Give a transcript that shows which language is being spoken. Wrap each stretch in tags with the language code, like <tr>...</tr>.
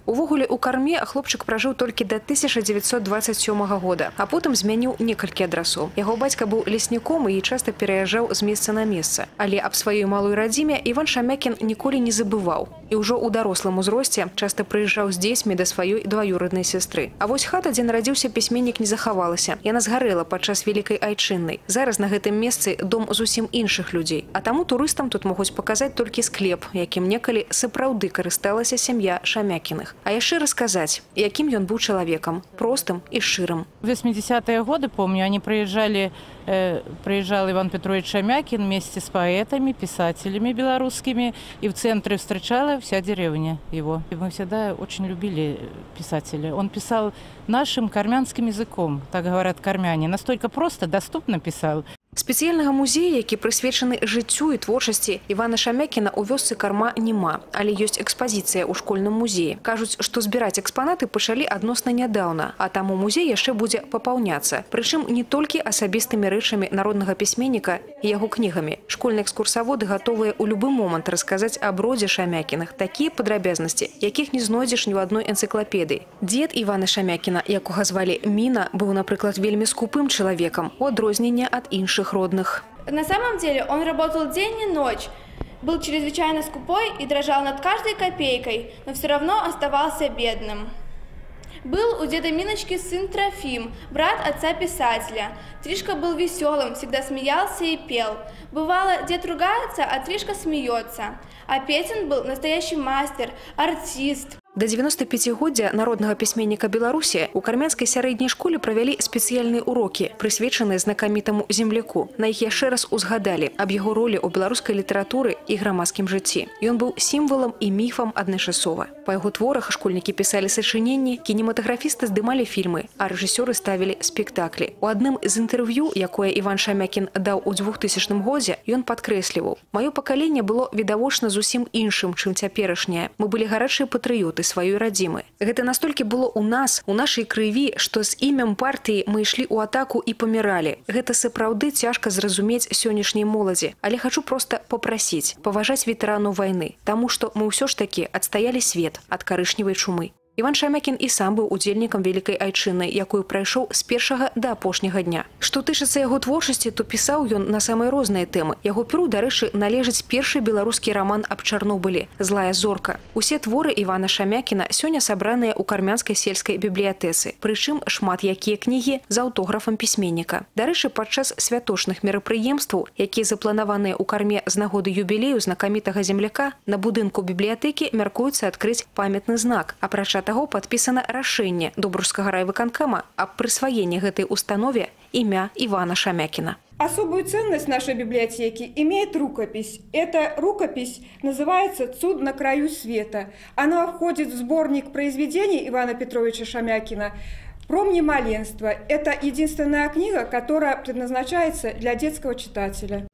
<be>Увогуле у Карме хлопчык пражыў толькі да 1927 года, а потым змяніў некалькі адрасоў. Яго бацька быў лесніком і часта пераязджаў з месца на месца. Але аб сваёй малой радзіме Іван Шамякін ніколі не забываў. І ўжо ў дарослым узросце часта прыязджаў</be> <ru>с детьми до своей двоюродной сестры.</ru> <be>А вось хата,</be> <ru>где народился письменник,</ru> <be>не захавалася.</be> <ru>И она сгорела подчас Великой Айчинной.</ru> <be>Зараз на гэтым месцы дом зусім інших людей. А тому</be> <ru>туристам тут могут показать только склеп,</ru> <be>яким некалі сапраўды карысталася семья Шамякіных. А яшчэ рассказать, яким ён</be> <ru>был человеком. Простым и ширым. В 80-е годы, помню, они приезжали, приезжал Иван Петрович Шамякін вместе с поэтами, писателями белорусскими. И в центре встречала вся деревня его. И мы всегда очень любили писателя. Он писал нашим кармянским языком, так говорят кармяне. Настолько просто, доступно писал.</ru> <be>Спецыяльнага музея, які прысвечаны жыццю і творчасці Івана Шамякіна ў вёсцы Карма няма, але ёсць экспазіцыя ў школьным музеі. Кажуць, што збіраць экспанаты пачалі адносна нядаўна, а таму музей яшчэ будзе папаўняцца. Прычым не толькі асабістымі рэчамі народнага пісьменніка і яго кнігамі. Школьныя экскурсаводы гатовыя ў любы момант расказаць аб родзе Шамякінах такія падрабязнасці, якіх не знойдзеш ні ў адной энцыклапедыі. Дзед Івана Шамякіна, якога звалі Міна, быў, напрыклад, вельмі скупым чалавекам, у адрозненне ад іншых родных.</be> <ru>На самом деле он работал день и ночь, был чрезвычайно скупой и дрожал над каждой копейкой, но все равно оставался бедным. Был у деда Миночки сын Трофим, брат отца-писателя. Тришка был веселым, всегда смеялся и пел. Бывало, дед ругается, а Тришка смеется. А Петин был настоящий мастер, артист.</ru> <be>До 95-годзя народнага пісьменніка Беларусі у кармянскай сярэдняй школе правялі спецыяльныя урокі, прысвечаныя знакамітаму земляку. На іх яшчэ раз узгадалі аб яго ролі ў беларускай літаратуры і грамадскім жыцці. Ён быў сімвалам і міфам адначасова. Па яго творах школьнікі пісалі сачыненні, кінематаграфісты здымалі фільмы, а рэжысёры ставілі спектаклі. У адным з інтэрв'ю, якое Іван Шамякін даў у 2000 годзе, ён падкрэсліваў: «Маё пакаленне было відавочна зусім іншым, чым цяперашняе. Мы былі гарачыя патрыёты</be> <ru>и своей родимы. Это настолько было у нас, у нашей крыви, что с именем партии мы шли у атаку и помирали. Это сапраўды тяжко зразуметь сегодняшней молоди. Але хочу просто попросить поважать ветерану войны, тому что мы все ж таки отстояли свет от карышневой чумы».</ru> <be>Іван Шамякін і сам быў удзельнікам Вялікай Айчыны, якую прайшоў з першага да апошняга дня. Што тычыцца яго творчасці, то пісаў ён на самыя розныя тэмы. Яго пяру, дарэчы, належыць першы беларускі раман аб Чарнобылі «Злая зорка». Усе творы Івана Шамякіна сёння сабраныя ў кармянскай сельскай бібліятэцы, прычым шмат якія кнігі з аўтографам пісьменніка. Дарэчы, падчас святочных мерапрыемстваў, якія запланаваныя ў Карме з нагоды юбілею знакамітага земляка, на будынку бібліятэкі мяркуецца адкрыць памятны знак. Апрача таго, падпісана рашэнне Добрускага райвыканкама аб прысваенні гэтай установе імя Івана Шамякіна.</be> <ru>Особую ценность нашей библиотеки имеет рукопись. Эта рукопись называется «Цуд на краю света». Она входит в сборник произведений Ивана Петровича Шамякина «Промни маленства». Это единственная книга, которая предназначается для детского читателя.</ru>